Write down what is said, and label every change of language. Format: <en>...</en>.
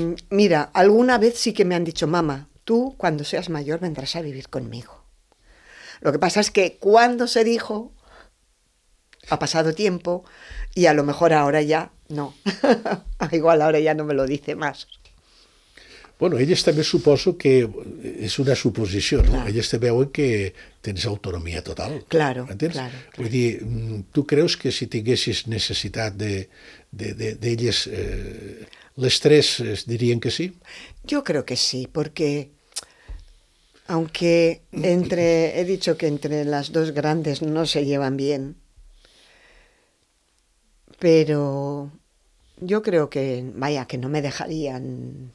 <es>Mira, alguna vez sí que me han dicho, mamá, tú cuando seas mayor vendrás a vivir conmigo. Lo que pasa es que cuando se dijo, ha pasado tiempo y a lo mejor ahora ya no. Igual ahora ya no me lo dice más.</es> <ca>Bueno, elles també suposo que és una suposició, no? Clar. Elles també veuen que tens autonomia total.</ca> <es>Claro, entens? Claro.</es> <ca>Vull clar. Dir, tu creus que si tinguessis necessitat d'elles, les tres dirien que sí?</ca> <es>Yo creo que sí, porque aunque entre, he dicho que entre las dos grandes no se llevan bien, pero yo creo que, vaya, que no me dejarían...</es>